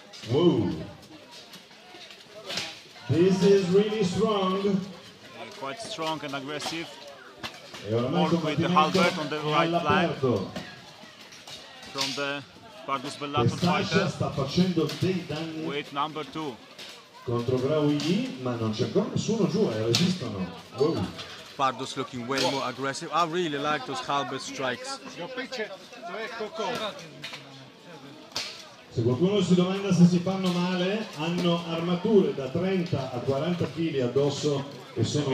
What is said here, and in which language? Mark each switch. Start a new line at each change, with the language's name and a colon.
English: Whoa. This is really strong. Yeah, quite strong and aggressive. More with the halberd on the right leg from the Pardus Bellator fighter.
Italian: Sta facendo dei danni.
English: Wait number two.
Italian: Contro Graoully, ma non c'è ancora nessuno giù, resistono. Oh.
English: Pardus looking way more aggressive. I really like those halberd strikes.
Italian: Se qualcuno si domanda se si fanno male, hanno armature da 30 a 40 kg addosso e sono